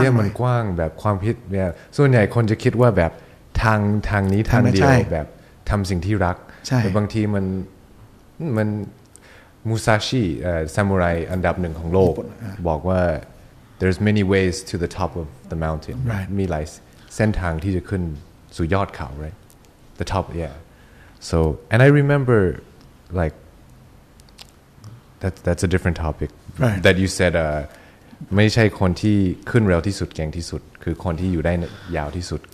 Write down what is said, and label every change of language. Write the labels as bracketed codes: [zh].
[th] เนี่ยมันกว้างแบบความคิดเนี่ยส่วนใหญ่คนจะคิดว่าแบบทางนี้ทางเดียวแบบทำสิ่งที่รักแต่บางทีมันมูซาชิซามูไรอันดับหนึ่งของโลกบอกว่า [en] There's many ways to the top of the mountain. Right. [th] มีหลายเส้นทางที่จะขึ้นสู่ยอดเขา right? [en] The top, yeah. So, and I remember, like, that's a different topic. Right. That you said, [th] ไม่ใช่คนที่ขึ้นเร็วที่สุดเก่งที่สุดคือคนที่อยู่ได้ยาวที่สุด